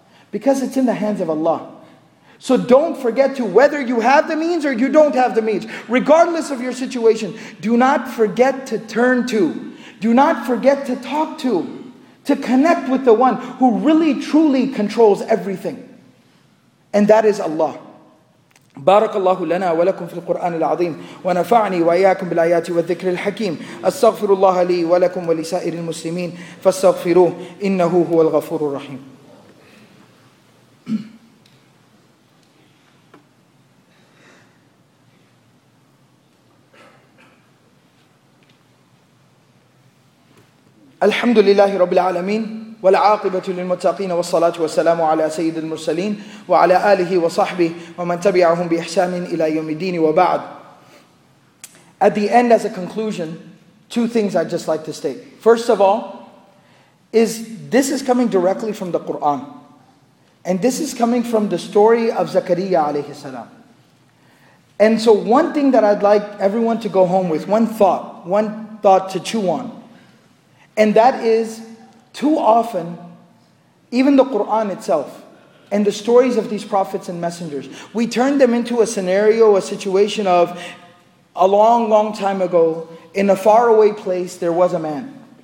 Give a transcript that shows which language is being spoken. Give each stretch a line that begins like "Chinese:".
English: Because it's in the hands of Allah. So don't forget to, whether you have the means or you don't have the means, regardless of your situation, do not forget to turn to. Do not forget to talk to connect with the one who really truly controls everything. And that is Allah.
Arabic: بارك الله لنا ولكم في القرآن العظيم ونفعني وإياكم بالآيات والذكر الحكيم أستغفر الله لي ولكم ولسائر المسلمين فاستغفروه إنه هو الغفور الرحيم. الحمد لله رب العالمين والعاقبة للمتقين والصلاة والسلام على سيد المرسلين وعلى آله وصحبه ومن تبعهم بإحسان إلى يوم الدين وبعد.
English: At the end, as a conclusion, two things I'd just like to state. First of all, is this is coming directly from the Quran. And this is coming from the story of Zakariyyah alayhi salam. And so one thing that I'd like everyone to go home with, one thought to chew on, and that is, too often, even the Qur'an itself and the stories of these prophets and messengers, we turn them into a scenario, a situation of a long, long time ago, in a faraway place, there was a man.